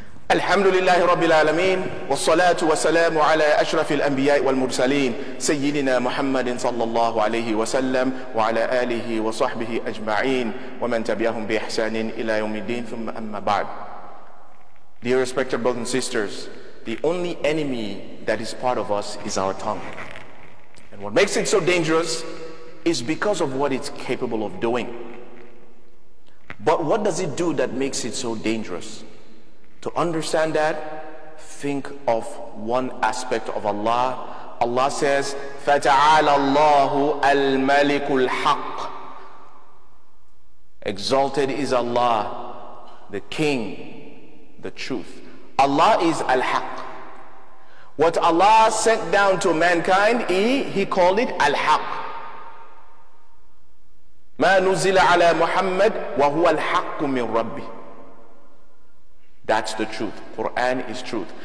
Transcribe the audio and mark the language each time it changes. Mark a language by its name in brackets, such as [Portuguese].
[Arabic] الحمد لله رب العالمين والصلاة والسلام على أشرف الأنبياء والمرسلين سيدنا محمد صلى الله عليه وسلم وعلى آله وصحبه أجمعين ومن تبعهم بإحسان إلى يوم الدين ثم أما بعد. [English] Dear respected brothers and sisters, the only enemy that is part of us is our tongue. And what makes it so dangerous is because of what it's capable of doing. But what does it do that makes it so dangerous? To understand that, think of one aspect of Allah. Allah says, [Arabic] فَتَعَالَ اللَّهُ الْمَلِكُ الْحَقِّ. [English] Exalted is Allah, the King, the truth. Allah is Al-Haq. What Allah sent down to mankind, He called it Al-Haq. [Arabic] مَا نُزِلَ عَلَى مُحَمَّدٍ وَهُوَ الْحَقُّ مِنْ رَبِّهِ. [English] That's the truth. Quran is truth.